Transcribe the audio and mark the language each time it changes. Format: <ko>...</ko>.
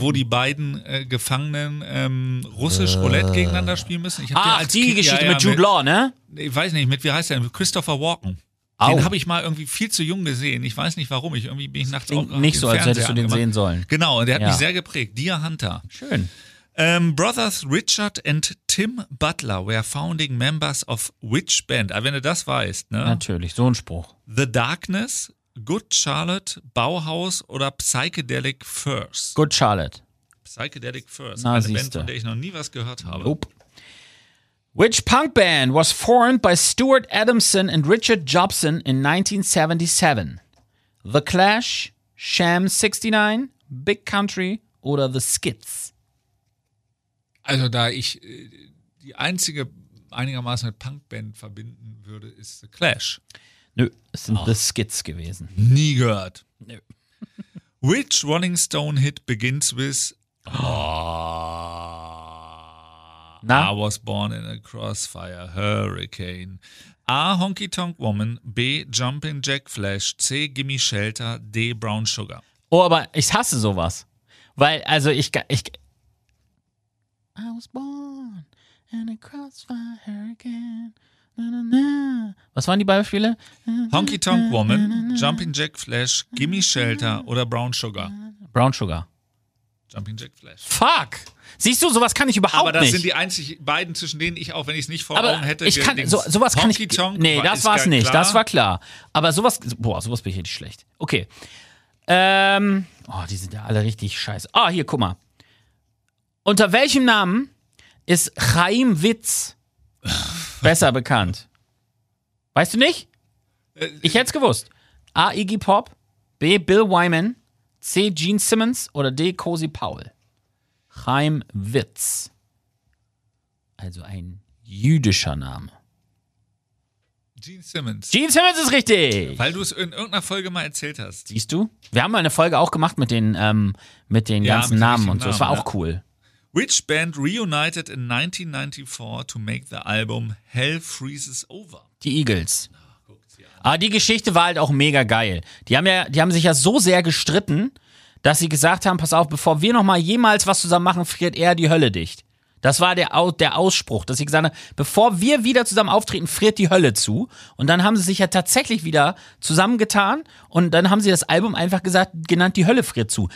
<de>Wo die beiden Gefangenen russisch Roulette gegeneinander spielen müssen. Ich ach, als die kind, Geschichte ja, mit Jude Law, ne? Ich weiß nicht, mit, wie heißt der? Christopher Walken. Den habe ich mal irgendwie viel zu jung gesehen. Ich weiß nicht, warum. Ich irgendwie bin ich nachts auch nicht so, als hättest angemacht. Du den sehen sollen. Genau, und der hat mich sehr geprägt. Deer Hunter. Schön.</de> <en>Brothers Richard and Tim Butler were founding members of which band?</en> <de>Aber wenn du das weißt, ne? Natürlich, so ein Spruch. The Darkness, Good Charlotte, Bauhaus oder Psychedelic Furs? Good Charlotte. Psychedelic Furs. Na, eine siehste. Band, von der ich noch nie was gehört habe. Nope.</de> <en>Which punk band was formed by Stuart Adamson and Richard Jobson in 1977?</en> <de>The Clash, Sham 69, Big Country oder The Skids? Also da ich die einzige einigermaßen mit Punkband verbinden würde, ist The Clash. Nö, es sind The Skids gewesen. Nie gehört. Nö.</de> <en>Which Rolling Stone Hit begins with</en> <de>Na?</de> <en>I was born in a crossfire hurricane. A. Honky Tonk Woman. B. Jumpin' Jack Flash. C. Gimme Shelter. D. Brown Sugar.</en> <de>Oh, aber ich hasse sowas. Weil, also ich</de> <en>I was born in a crossfire hurricane.</en> <de>Na, na, na. Was waren die Beispiele? Honky Tonk Woman. Na, na, na. Jumpin' Jack Flash. Gimme Shelter. Oder Brown Sugar. Brown Sugar. Jumpin' Jack Flash. Fuck! Siehst du, sowas kann ich überhaupt nicht. Aber das nicht. Sind die einzigen beiden, zwischen denen ich auch, wenn ich es nicht vor Augen hätte, ich kann, so, sowas kann ich. Nee, das war es nicht, klar. Das war klar. Aber sowas, boah, sowas bin ich richtig schlecht. Okay. Oh, die sind ja alle richtig scheiße. Ah, oh, hier, guck mal. Unter welchem Namen ist Chaim Witz besser bekannt? Weißt du nicht? Ich hätte es gewusst. A. Iggy Pop, B. Bill Wyman, C. Gene Simmons oder D. Cozy Powell. Chaim Witz. Also ein jüdischer Name. Gene Simmons. Gene Simmons ist richtig. Weil du es in irgendeiner Folge mal erzählt hast. Siehst du? Wir haben mal eine Folge auch gemacht mit den ganzen Namen und so. Das war auch cool.</de> <en>Which band reunited in 1994 to make the album Hell Freezes Over?</en> <de>Die Eagles. Aber die Geschichte war halt auch mega geil. Die haben sich ja so sehr gestritten, dass sie gesagt haben, pass auf, bevor wir noch mal jemals was zusammen machen, friert er die Hölle dicht. Das war der Ausspruch, dass sie gesagt haben, bevor wir wieder zusammen auftreten, friert die Hölle zu. Und dann haben sie sich ja tatsächlich wieder zusammengetan und dann haben sie das Album einfach gesagt, genannt, die Hölle friert zu.</de>